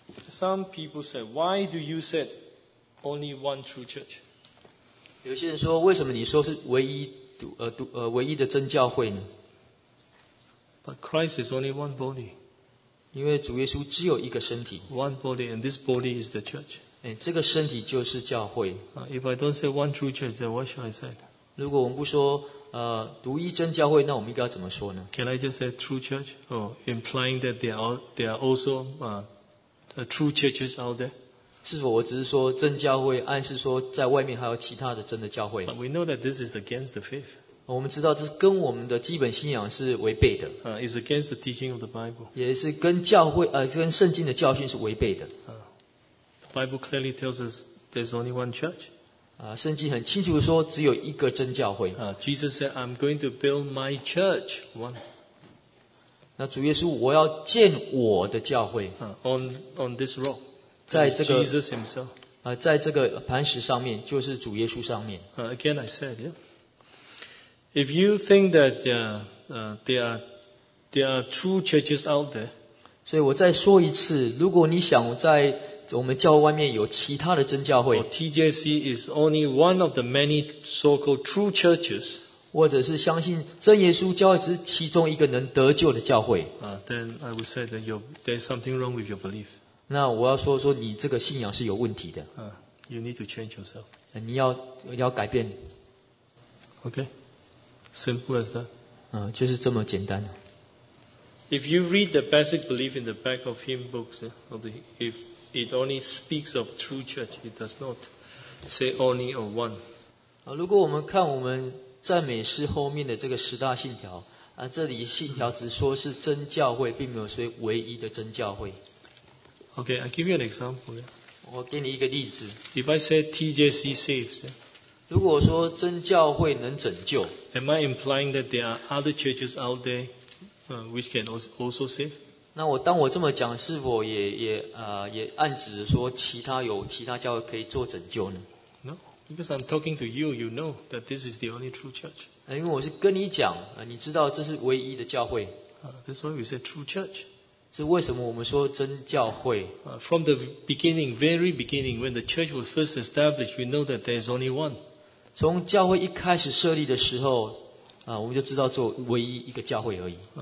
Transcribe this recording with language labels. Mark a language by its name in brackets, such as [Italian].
[English] Some people said, why do you said only one true church? [Chinese] 有些人说为什么你说是唯一的真教会呢 [English] ?But Christ is only one body. [Chinese] 因为主耶稣只有一个身体。 [English] One body, and this body is the church. [Chinese] 这个身体就是教会。 [English] If I don't say one true church, then what shall I say? [Chinese] 如果我们不说独一真教会，那我们应该怎么说呢 [English] ？Can I just say true church? Oh, implying that there are also true churches out there. [Chinese] 是否我只是说真教会，暗示说在外面还有其他的真的教会 [English] ？But we know that this is against the faith. [Chinese] 我们知道这是跟我们的基本信仰是违背的。 [English] It's against the teaching of the Bible. [Chinese] 也是跟教会跟圣经的教训是违背的。 [English] Bible clearly tells us there's only one church. [Chinese] 圣经很清楚说只有一个真教会。 [English] Jesus said, "I'm going to build my church." One. [Chinese] 那主耶稣，我要建我的教会。 [English] On this rock. [Chinese] 在这个 [English] Jesus himself. [Chinese] 在这个磐石上面，就是主耶稣上面。 [English] Again, I said, yeah. If you think that there are true churches out there, [Chinese] 所以我再说一次，如果你想在我们教会外面有其他的真教会 [English] ，TJC is only one of the many so-called true churches， [Chinese] 或者是相信真耶稣教会只是其中一个能得救的教会。 [English] Then I would say that there's something wrong with your belief。 [Chinese] 那我要说你这个信仰是有问题的。 [English] You need to change yourself。 [Chinese] 你要改变。 [English] Okay。 Simple as that. [Chinese] 就是这么简单。 [English] If you read the basic belief in the back of hymn books, if it only speaks of true church, it does not say only of one. [Chinese] 如果我们看我们赞美诗后面的这个十大信条，这里信条只说是真教会，并没有说唯一的真教会。 [English] Okay, I'll give you an example. [Chinese] 我给你一个例子。 [English] If I say TJC saves, [Chinese] 如果说真教会能拯救， [English] Am I implying that there are other churches out there, which can also save? [Chinese] 那我当我这么讲，是否也暗指说其他教会可以做拯救呢 [English] ？No, because I'm talking to you. You know that this is the only true church. [Chinese] 因为我是跟你讲，你知道这是唯一的教会。 [English] That's why we say true church. [Chinese] 是为什么我们说真教会 [English] ？From the beginning, very beginning, when the church was first established, we know that there is only one. [Chinese] 从教会一开始设立的时候，我们就知道做唯一一个教会而已。